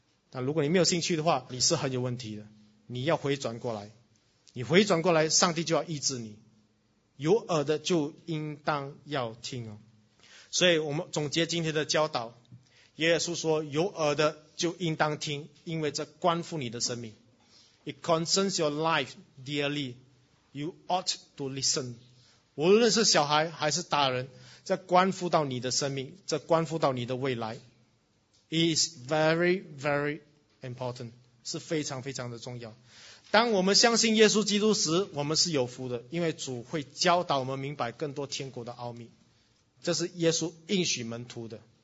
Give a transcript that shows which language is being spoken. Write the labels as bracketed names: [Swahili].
[Chinese] 但如果你没有兴趣的话，你是很有问题的，你要回转过来，你回转过来，上帝就要医治你，有耳的就应当要听哦。所以我们总结今天的教导，耶稣说有耳的就应当听，因为这关乎你的生命。 [English] It concerns your life dearly, you ought to listen. [Chinese] 无论是小孩还是大人，这关乎到你的生命，这关乎到你的未来。 [English] It is very very important, [Chinese] 是非常非常的重要。当我们相信耶稣基督时，我们是有福的，因为主会教导我们明白更多天国的奥秘，这是耶稣应许门徒的。